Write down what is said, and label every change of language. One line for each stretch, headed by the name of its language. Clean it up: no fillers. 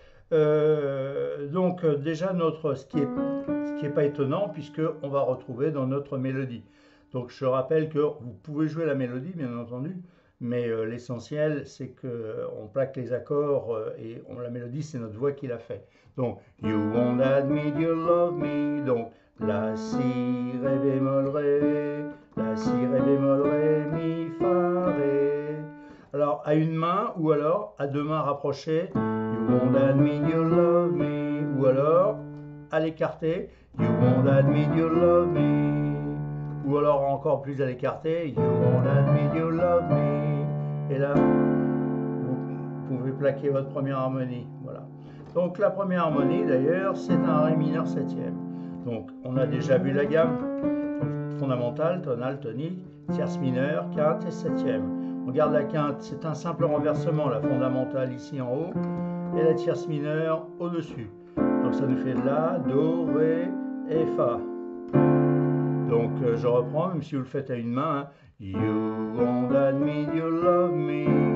French: Donc déjà ce qui est pas étonnant puisque on va retrouver dans notre mélodie. Donc je rappelle que vous pouvez jouer la mélodie bien entendu, mais l'essentiel c'est que on plaque les accords et la mélodie c'est notre voix qui l'a fait.
English: Donc you won't admit you love me.
French: Donc la si ré bémol ré, la si ré bémol ré mi fa ré. Alors à une main ou alors à deux mains rapprochées.
English: You won't admit you love me.
French: Ou alors, à l'écarté,
English: you won't admit you love me.
French: Ou alors encore plus à l'écarté,
English: you won't admit you love me.
French: Et là, vous pouvez plaquer votre première harmonie. Voilà. Donc la première harmonie, d'ailleurs, c'est un ré mineur septième. Donc on a déjà vu la gamme fondamentale, tonale, tonique, tierce mineure, quinte et septième. On garde la quinte, c'est un simple renversement, la fondamentale ici en haut. Et la tierce mineure au-dessus. Donc ça nous fait La, Do, Ré et Fa. Donc je reprends, même si vous le faites à une main. Hein.
English: You won't admit you love me.